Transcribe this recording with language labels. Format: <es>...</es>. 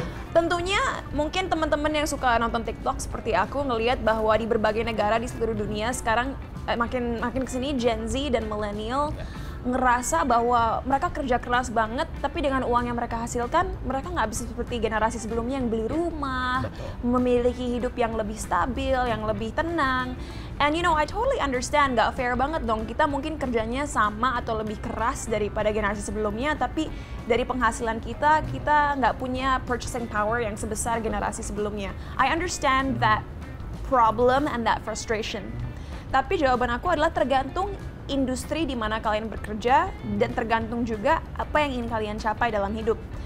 <id>Tentunya mungkin teman-teman yang suka nonton TikTok seperti aku ngelihat bahwa di berbagai negara di seluruh dunia sekarang makin kesini Gen Z dan Millennial ngerasa bahwa mereka kerja keras banget tapi dengan uang yang mereka hasilkan mereka nggak bisa seperti generasi sebelumnya yang beli rumah, memiliki hidup yang lebih stabil, yang lebih tenang.</id> <en>And you know, I totally understand,</en> <id>gak fair banget dong. Kita mungkin kerjanya sama atau lebih keras daripada generasi sebelumnya, tapi dari penghasilan kita, kita gak punya purchasing power yang sebesar generasi sebelumnya.</id> <en>I understand that problem and that frustration.</en> <id>Tapi jawaban aku adalah tergantung industri di mana kalian bekerja, dan tergantung juga apa yang ingin kalian capai dalam hidup.</id>